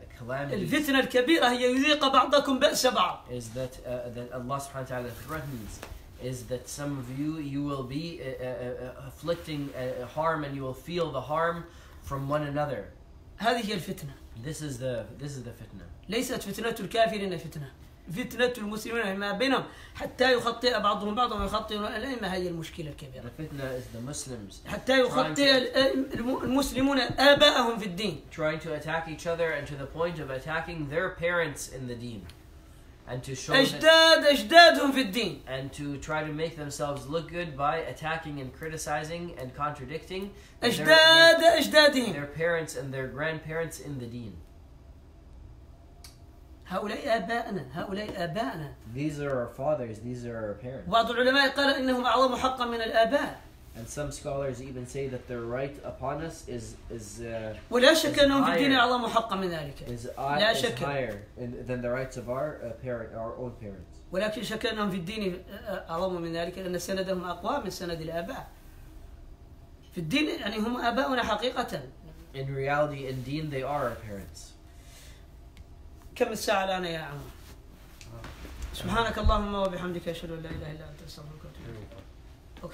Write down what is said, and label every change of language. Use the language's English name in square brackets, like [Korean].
[Arabic] الفتنة الكبيرة هي يذيق بعضكم بأس بعض. [English] Is that that Allah [Arabic] سبحانه وتعالى [English] threatens? Is that some of you will be afflicting harm and you will feel the harm from one another? [Arabic] هذه هي الفتنة. [English] This is the فتنة. [Arabic] ليست فتنة الكافرين فتنة. فتنة المسلمين ما بينهم حتى يخطئ بعضهم بعضهم ويخطئ الأئمة هي المشكلة الكبيرة. [English] The fitna is the Muslims. [Arabic] حتى يخطئ المسلمون آباءهم في الدين. [English] Trying to attack each other and to the point of attacking their parents in the deen. And to show [Arabic] أجدادهم في الدين. [English] And to try to make themselves look good by attacking and criticizing and contradicting [Arabic] أجدادهم. [English] Their parents and their grandparents in the deen. [Arabic] هؤلاء آباءنا. [English] These are our fathers. These are our parents. [Arabic] بعض العلماء قال إنهم أعظم حقا من الآباء. And some scholars even say that their right upon us is. ولا شك أنهم في الدين أعظم حقا من ذلك. لا شك. [English] Is higher than the rights of our parent, our own parents. [Arabic] ولكن شك أنهم في الدين أعظم من ذلك لأن سندهم أقوى من سند الآباء. في الدين يعني هم آباءنا حقيقة. [English] In reality, in deen, they are our parents. [Arabic] كم الساعة الآن يا عم؟ سبحانك اللهم وبحمدك أشهد أن لا إله إلا أنت أستغفرك وأتوب.